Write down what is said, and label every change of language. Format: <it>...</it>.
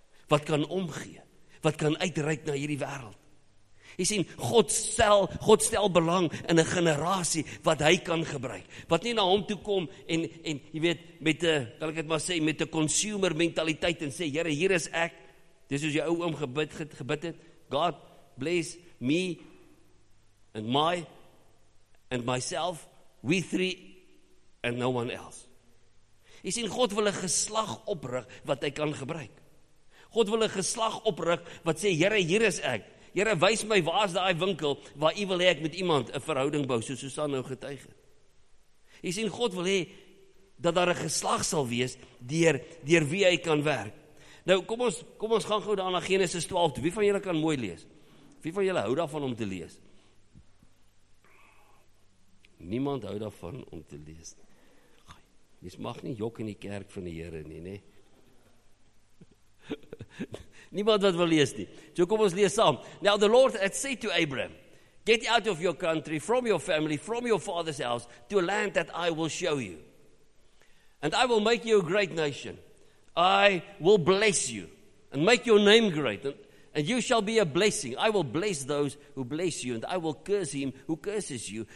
<af>Wat kan omgee, wat kan uitreik na hierdie wêreld. Jy sien, God stel belang in 'n generasie wat hy kan gebruik. Wat nie na hom toe kom en jy weet, met 'n consumer mentaliteit en sê, Here, hier is ek. Dis soos jou ou oom gebid het.</af> <en>God bless me and my and myself, we three, and no one else.</en> <af>Jy sien, God wil 'n geslag oprig, wat hy kan gebruik. God wil 'n geslag oprig, wat sê, Here, hier is ek. Here, wys my waar is daai winkel, waar u wil hê ek met iemand 'n verhouding bou, soos Susan nou getuig het. Jy sien, God wil hê, dat daar 'n geslag sal wees, deur wie hy kan werk. Nou, kom ons gaan gou daar na Genesis 12 toe. Wie van julle kan mooi lees? Wie van julle hou daarvan om te lees? Niemand hou daarvan om te lees. Jy mag nie jok in die kerk van die Here nie, nê? Niemand wat wil lees nie. So kom ons lees saam.</af> <en>Now the Lord had said to Abram, get out of your country, from your family, from your father's house, to a land that I will show you. And I will make you a great nation. I will bless you and make your name great. And you shall be a blessing. I will bless those who bless you, and I will curse him who curses you.</en>